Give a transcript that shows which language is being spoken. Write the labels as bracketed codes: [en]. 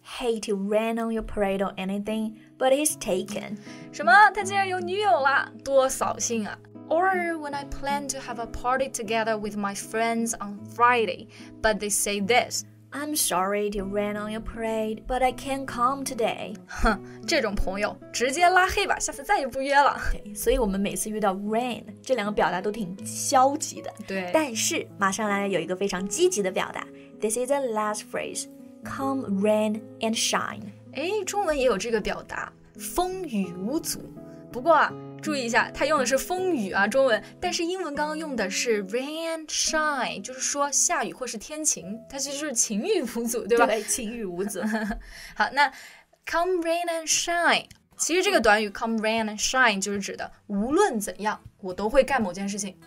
[en] Hate to rain on your parade or anything, but he's taken. [zh] 什么？他竟然有女友了？多扫兴啊。 [en] Or when I plan to have a party together with my friends on Friday, but they say this. I'm sorry to rain on your parade, but I can't come today. [zh] 哼，这种朋友直接拉黑吧，下次再也不约了。对，所以我们每次遇到 rain 这两个表达都挺消极的。对，但是马上来有一个非常积极的表达。 [en] This is the last phrase, come rain and shine. [zh] 哎，中文也有这个表达，风雨无阻。不过啊，注意一下，它用的是风雨啊，中文，但是英文刚刚用的是 [en] rain shine， [zh] 就是说下雨或是天晴，它其实是晴雨无阻，对吧？对，晴雨无阻。好，那 [en] come rain and shine， [zh] 其实这个短语 come rain and shine 就是指的无论怎样，我都会干某件事情，